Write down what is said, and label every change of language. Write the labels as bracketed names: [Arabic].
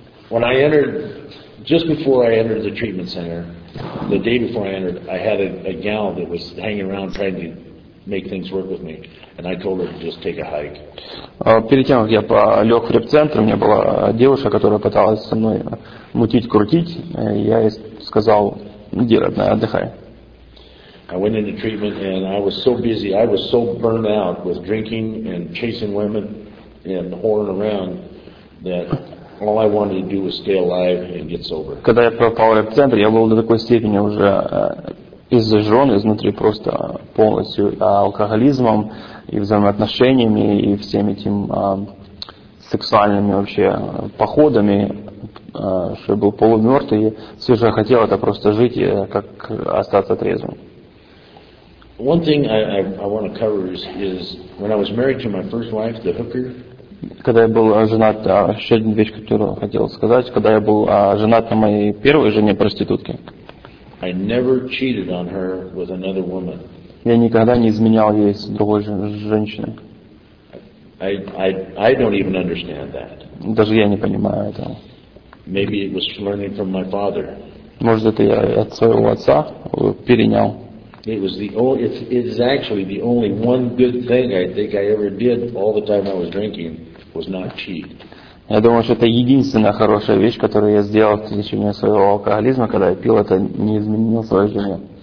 [English] When I entered, just before I entered the treatment center, the day before I entered, I had a gal that was hanging around trying to make things work with me, and I told her to just take a hike. [Russian] Перед тем, как я лег в реп-центр, у меня была девушка, которая пыталась со мной мутить-крутить, я ей сказал, иди, родная, отдыхай. [English] I went into treatment, and I was so busy, I was so burned out with drinking and chasing women and whoring around that all I wanted to do was stay alive and get sober. [Russian] Когда я попал в реп-центр, я был до такой степени уже из-за жен, изнутри просто полностью алкоголизмом и взаимоотношениями и всем этим сексуальными вообще походами, что я был полумертвый, все, что я хотел, это просто жить и как остаться трезвым. [English] One thing I want to cover is when I was married to my first wife, the hooker. [Russian] Когда я был женат, еще одна вещь, которую я хотел сказать, когда я был женат на моей первой жене проститутке. [English] I never cheated on her with another woman. [Russian] Я никогда не изменял ей с другой женщиной. [English] I don't even understand that. [Russian] Даже я не понимаю этого. [English] Maybe it was learning from my father. [Russian] Может, это я от своего отца перенял. [English] It was the only, it's actually the only one good thing I think I ever did all the time I was drinking was not cheat. [Russian] Я думаю, что это единственная хорошая вещь, которую я сделал в течение своего алкоголизма, когда я пил, это не изменил свою жену.